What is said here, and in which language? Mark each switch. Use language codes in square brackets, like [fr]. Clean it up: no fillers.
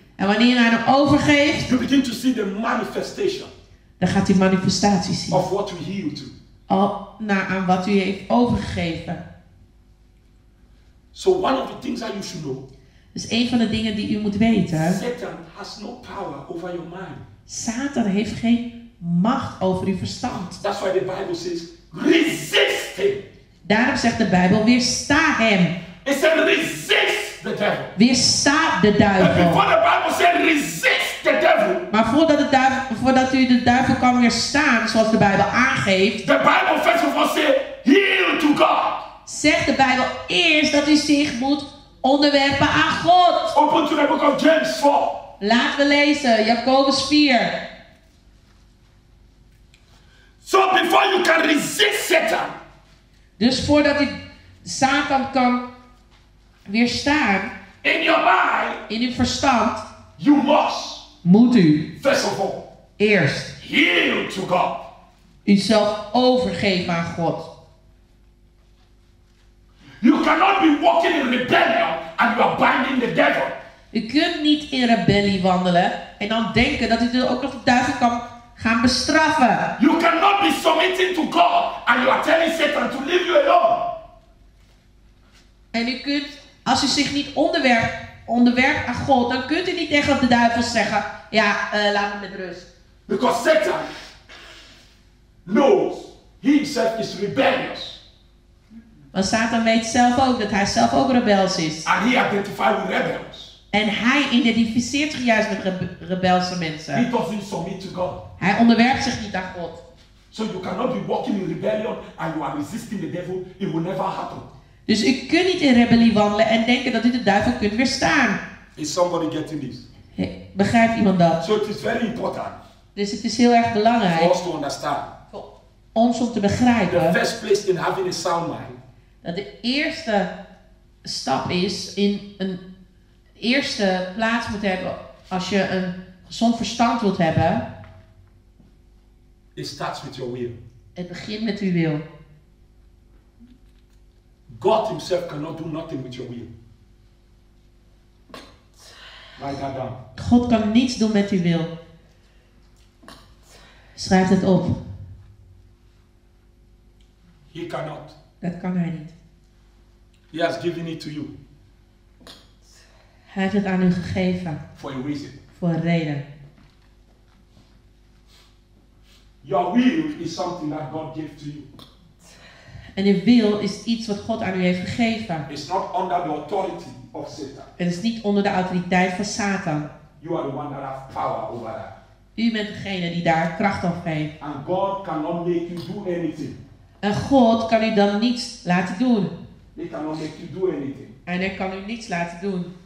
[nl] En wanneer je aan hem overgeeft, [en] you begin to see the manifestation. [nl] Dan gaat hij manifestaties zien. [en] Of what you yield to. [nl] Al naar aan wat u heeft overgegeven. [en] So one of the things that you should know. [nl] Dus een van de dingen die u moet weten. [en] Satan has no power over your mind. [nl] Satan heeft geen macht over uw verstand. [en] That's why the Bible says, resist him. [nl] Daarom zegt de Bijbel, weersta hem. [en] It said, resist the devil. [nl] Weersta de duivel. [en] But before the Bible said, resist the devil. [nl] Maar voordat u de duivel kan weerstaan, zoals de Bijbel aangeeft. [en] The Bible first of all said, yield to God. [nl] Zegt de Bijbel eerst dat u zich moet onderwerpen aan God. [en] Open to the book of James 4. [nl] Laten we lezen, Jacobus 4. [en] So before you can resist Satan. [nl] Dus voordat u Satan kan weerstaan. [en] In your mind. [nl] In uw verstand. [en] You must. [nl] Moet u. [en] First of all. [nl] Eerst. [en] Yield to God. [nl] Uzelf overgeven aan God. [en] You cannot be walking in rebellion and you are binding the devil. [nl] U kunt niet in rebellie wandelen en dan denken dat u er ook nog de duivel kan gaan bestraffen. [en] You cannot be submitting to God and you are telling Satan to leave you alone. [nl] En u kunt, als u zich niet onderwerpt aan God, dan kunt u niet tegen de duivel zeggen, ja, laat me met rust. [en] Because Satan knows he himself is rebellious. [nl] Want Satan weet zelf ook dat hij zelf ook rebels is. [en] And he identifies with rebels. [nl] En hij identificeert zich juist met rebelse mensen. [en] He doesn't submit to God. [nl] Hij onderwerpt zich niet aan God. [en] So you cannot be walking in rebellion and you are resisting the devil. It will never happen. [nl] Dus u kunt niet in rebellie wandelen en denken dat u de duivel kunt weerstaan. [en] Is somebody getting this? [nl] Begrijpt iemand dat? [en] So it is very important. [nl] Dus het is heel erg belangrijk. [en] For us to understand. [nl] Voor ons om te begrijpen. [en] The first place in having a sound mind. [nl] Dat de eerste stap is in een eerste plaats moet hebben als je een gezond verstand wilt hebben. [en] It starts with your will. [nl] Het begint met uw wil. [en] God himself cannot do nothing with your will. Write that down. [nl] God kan niets doen met uw wil. Schrijf het op. [en] He cannot. [nl] Dat kan hij niet. [en] He has given it to you. [nl] Hij heeft het aan u gegeven. [en] For a reason. [nl] Voor een reden. [en] Your will is something that God gave to you. [nl] En uw wil is iets wat God aan u heeft gegeven. [en] It's not under the authority of Satan. [nl] Het is niet onder de autoriteit van Satan. [en] You are the one that has power over that. [nl] U bent degene die daar kracht op heeft. [en] And God cannot make you do anything. [nl] En God kan u dan niets laten doen. [en] He cannot make you do anything. [nl] En hij kan u niets laten doen.